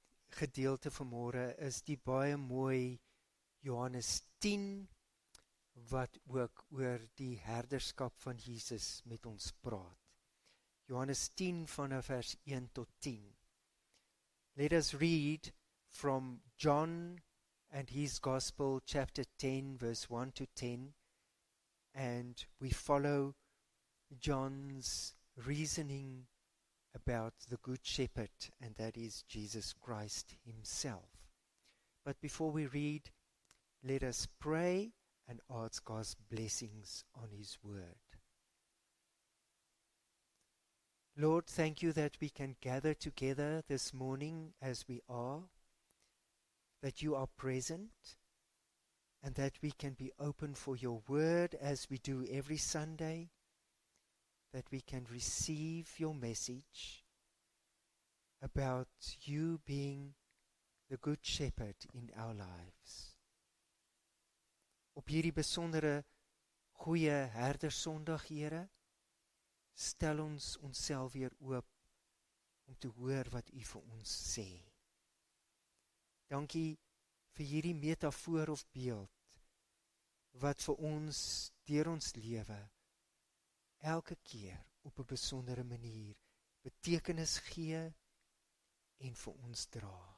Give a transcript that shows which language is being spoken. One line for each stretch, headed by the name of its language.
Afrikaans: Gedeelte vanmôre is die baie mooi Johannes 10 wat ook oor die herderskap van Jesus met ons praat. Johannes 10 vanaf vers 1 tot 10.
English: Let us read from John and his gospel chapter 10 verse 1 to 10 and we follow John's reasoning about the good shepherd, and that is Jesus Christ himself. But before we read, let us pray and ask God's blessings on his word. Lord, thank you that we can gather together this morning as we are, that you are present, and that we can be open for your word as we do every Sunday, that we can receive your message about you being the good shepherd in our lives.
Afrikaans: Op hierdie besondere goeie herdersondag, Here, stel ons onsself weer oop om te hoor wat u vir ons sê. Dankie vir hierdie metafoor of beeld wat vir ons deur ons lewe elke keer op 'n besondere manier betekenis gee en vir ons dra.